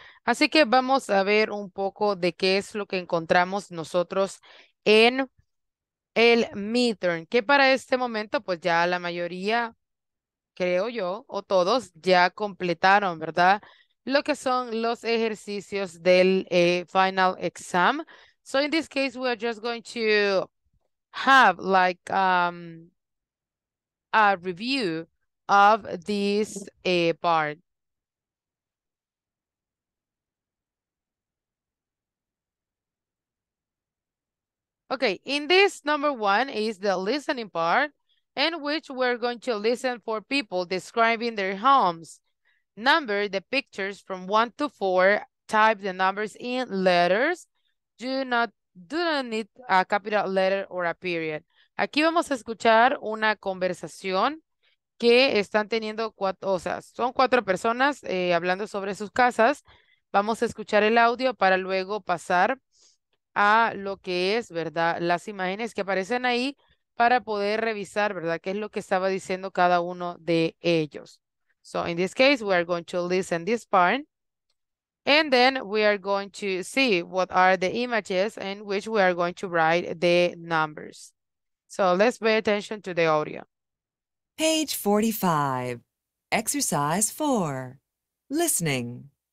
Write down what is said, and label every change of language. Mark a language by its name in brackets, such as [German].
[Spanish] Así que vamos a ver un poco de qué es lo que encontramos nosotros en el midterm, que para este momento, pues ya la mayoría, creo yo, o todos, ya completaron, ¿verdad? Lo que son los ejercicios del final exam. [English] So in this case, we are just going to have like a review of this part. Okay, in this number one is the listening part, in which we're going to listen for people describing their homes. Number the pictures from 1 to 4, type the numbers in letters. Do not need a capital letter or a period. [Spanish] Aquí vamos a escuchar una conversación que están teniendo cuatro, o sea, son cuatro personas hablando sobre sus casas. Vamos a escuchar el audio para luego pasar a lo que es, ¿verdad? Las imágenes que aparecen ahí para poder revisar, ¿verdad? ¿Qué es lo que estaba diciendo cada uno de ellos? [English] So in this case, we are going to listen this part. And then we are going to see what are the images in which we are going to write the numbers. So let's pay attention to the audio. Page 45, exercise 4, listening.